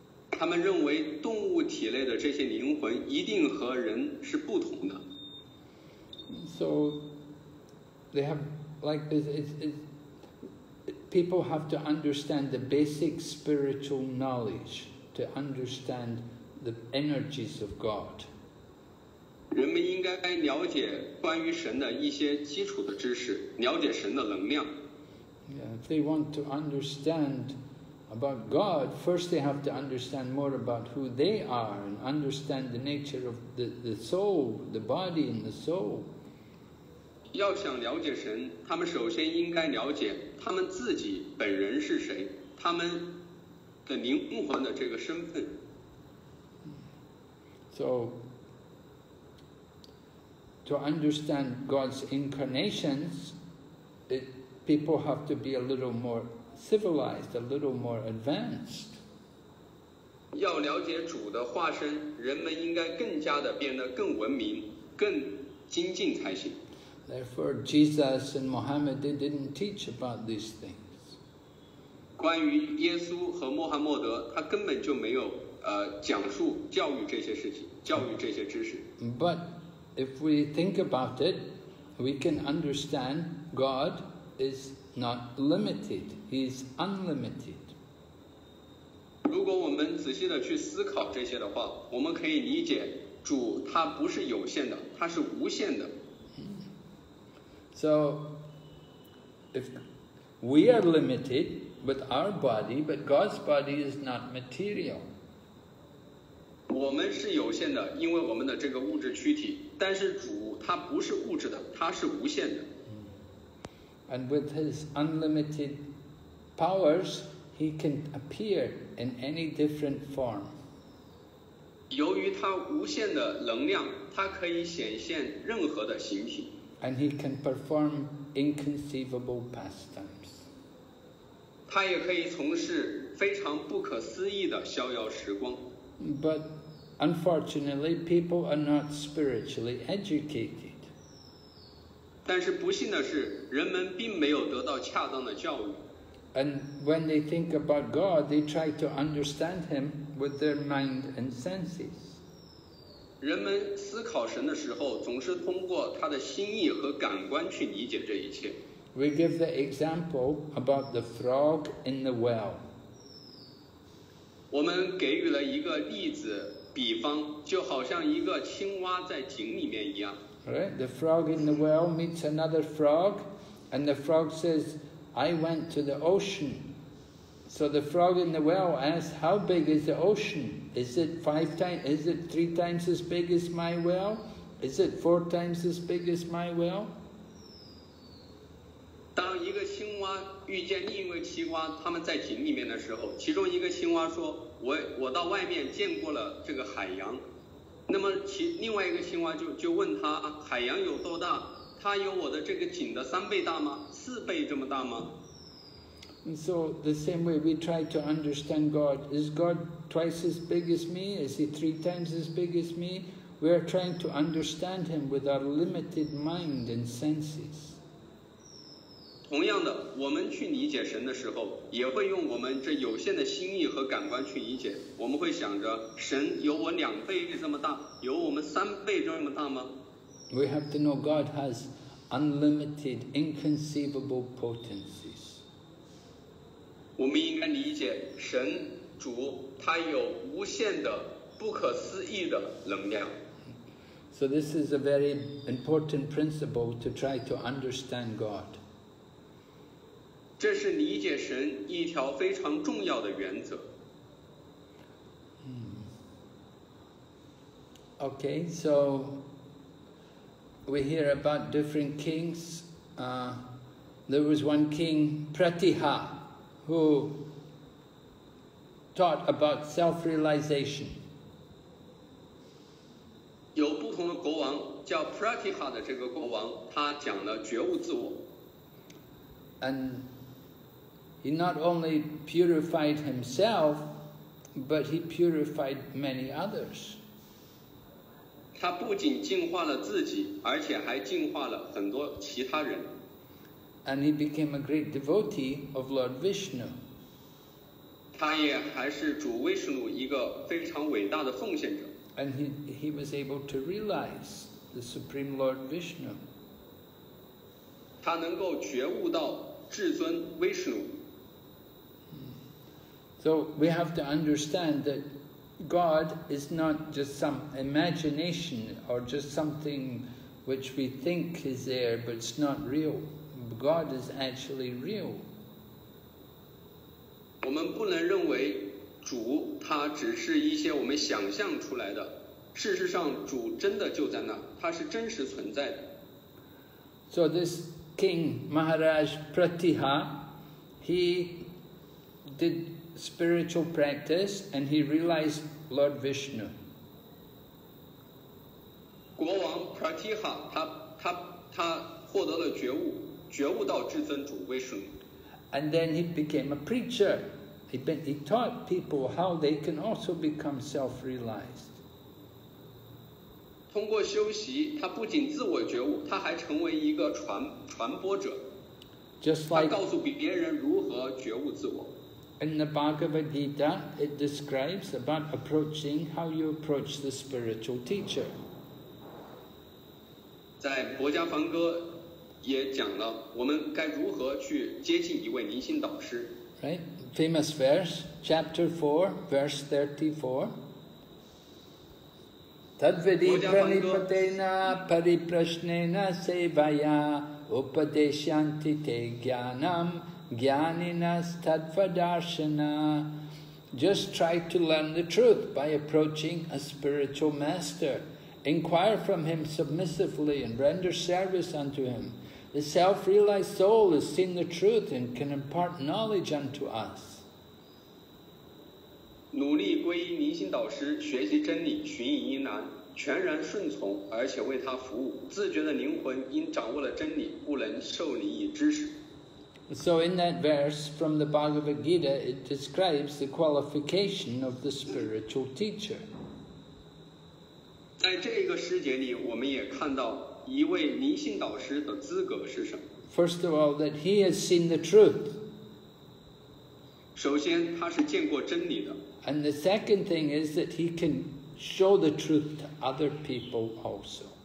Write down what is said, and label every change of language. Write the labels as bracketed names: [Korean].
[Chinese] 他们认为动物体内的这些灵魂一定和人是不同的。 [English] So they have like it's people have to understand the basic spiritual knowledge to understand the energies of God. [Chinese] 人们应该了解关于神的一些基础的知识，了解神的能量。 [English] Yeah, if they want to understand about God, first they have to understand more about who they are and understand the nature of the soul, the body and the soul. [Chinese] 要想了解神，他们首先应该了解他们自己本人是谁，他们的灵魂的这个身份。 [English] So, to understand God's incarnations, people have to be a little more civilized, a little more advanced. [Chinese] 要了解主的化身，人们应该更加的变得更文明、更精进才行。 [English] Therefore, Jesus and Muhammad didn't teach about these things. [Chinese] 关于耶稣和穆罕默德，他根本就没有讲述教育这些事情，教育这些知识。 [English] But if we think about it, we can understand God is not limited; He is unlimited. [Chinese] 如果我们仔细的去思考这些的话，我们可以理解主他不是有限的，他是无限的。 [English] So, if we are limited with our body, but God's body is not material. [Chinese] 我们是有限的，因为我们的这个物质躯体，但是主他不是物质的，他是无限的。 [English] And with his unlimited powers, he can appear in any different form. [Chinese] 由于他无限的能量，他可以显现任何的形体。 [English] And he can perform inconceivable pastimes. [Chinese] 他也可以从事非常不可思议的逍遥时光。 [English] But unfortunately, people are not spiritually educated. [Chinese] 但是不幸的是，人们并没有得到恰当的教育。 [English] And when they think about God, they try to understand him with their mind and senses. [Chinese] 人们思考神的时候，总是通过他的心意和感官去理解这一切。 [English] We give the example about the frog in the well. [Chinese] 我们给予了一个例子，比方，就好像一个青蛙在井里面一样。 [English] Right, the frog in the well meets another frog, and the frog says, "I went to the ocean." So the frog in the well asks, "How big is the ocean?" Is it three times as big as my well? Is it four times as big as my well? [Chinese] 当一个青蛙遇见另一个青蛙，他们在井里面的时候，其中一个青蛙说：“我到外面见过了这个海洋。” 那么另外一个青蛙就问他：“海洋有多大？它有我的这个井的三倍大吗？四倍这么大吗？” [English] And so the same way we try to understand God is God. Twice as big as me? Is he three times as big as me? We are trying to understand him with our limited mind and senses. [Chinese] 同样的，我们去理解神的时候，也会用我们这有限的心意和感官去理解。我们会想着，神有我两倍这么大，有我们三倍这么大吗？ [English] We have to know God has unlimited, inconceivable potencies. [Chinese] 我们应该理解神主他有无限的不可思议的能量。 [English] So this is a very important principle to try to understand God. [Chinese] 这是理解神一条非常重要的原则。 [English] Okay, so we hear about different kings. There was one king, Pratiha, whotaught about self-realization. [Chinese] 有不同的国王，叫 Pratiha 的这个国王，他讲了觉悟自我。 [English] And he not only purified himself, but he purified many others. [Chinese] 他不仅净化了自己，而且还净化了很多其他人。 [English] And he became a great devotee of Lord Vishnu. [Chinese] 他也还是主威士努一个非常伟大的奉献者。 [English] And he was able to realize the Supreme Lord Vishnu. [Chinese] 他能够觉悟到至尊威士努。 [English] So we have to understand that God is not just some imagination or just something which we think is there, but it's not real. God is actually real. [Chinese] 我们不能认为主他只是一些我们想象出来的，事实上主真的就在那，他是真实存在的。 [English] So this king Maharaj Pratiha, he did spiritual practice and he realized Lord Vishnu. [Chinese] 国王 Pratiha, 他获得了觉悟到至尊主威士努。 [English] And then he became a preacher. He taught people how they can also become self-realized. [Chinese] 通过修习，他不仅自我觉悟，他还成为一个传播者。 [English] Just like [Chinese] 他告诉别人如何觉悟自我。 [English] In the Bhagavad Gita, it describes about approaching how you approach the spiritual teacher. [Chinese] 在《薄伽梵歌》也讲了我们该如何去接近一位灵性导师。 [English] Right, famous verse, chapter 4, verse 34. [Sanskrit] Tadvidi pranipatena pariprasnena sevaya upadeshyanti te jnanam jnaninas tadvadarsana. [English] Just try to learn the truth by approaching a spiritual master. Inquire from him submissively and render service unto him. The self-realized soul has seen the truth and can impart knowledge unto us. [Chinese] 努力皈依灵性导师，学习真理，寻隐于难，全然顺从，而且为他服务。自觉的灵魂因掌握了真理，故能受灵以知识。 [English] So in that verse from the Bhagavad Gita, it describes the qualification of the spiritual teacher. [Chinese] 在这个诗节里，我们也看到一位灵性导师的资格是什么？ [English] First of all, that he has seen the truth. [Chinese] 首先，他是见过真理的。 [English] And the second thing is that he can show the truth to other people also.